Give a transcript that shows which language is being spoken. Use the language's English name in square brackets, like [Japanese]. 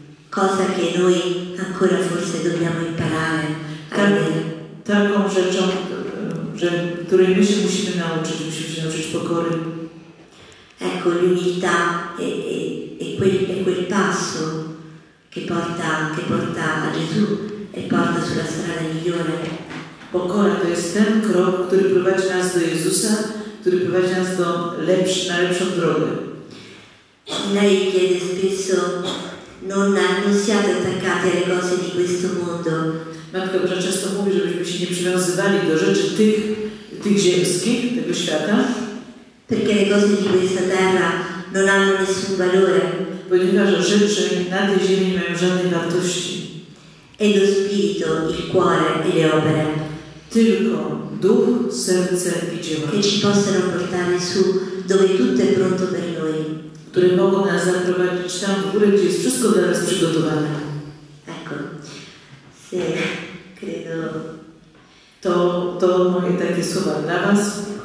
[Italian] Cosa che noi ancora forse dobbiamo imparare. [Polish] Taką rzeczą, której my się musimy nauczyć. Musimy się nauczyć pokory. [Italian] Ecco, l'umiltà è quel passo che porta a Gesù e porta sulla strada migliore. [Polish] Pokora to jest ten krok, który prowadzi nas do Jezusa, który prowadzi nas na lepszą drogę. [Italian] Lei chiede spesso, non siate attaccati alle cose di questo mondo. [Polish] Matka Boża często mówi, żebyśmy się nie przywiązywali do rzeczy tych ziemskich, tego świata. [Italian] Perché le cose di questa terra non hanno nessun valore. [Polish] Ponieważ rzeczy na tej ziemi nie mają żadnej wartości. [Italian] E lo spirito, il cuore e le opere. [Polish] Tylko duch, serce i dzieła. [Italian] Che ci possano portare su dove tutto è pronto per noi. [Polish] Które mogą nas zaprowadzić tam w górę, gdzie jest wszystko dla nas przygotowane. [Italian] Ecco. Se credo. [Polish] To moje takie słowa dla was.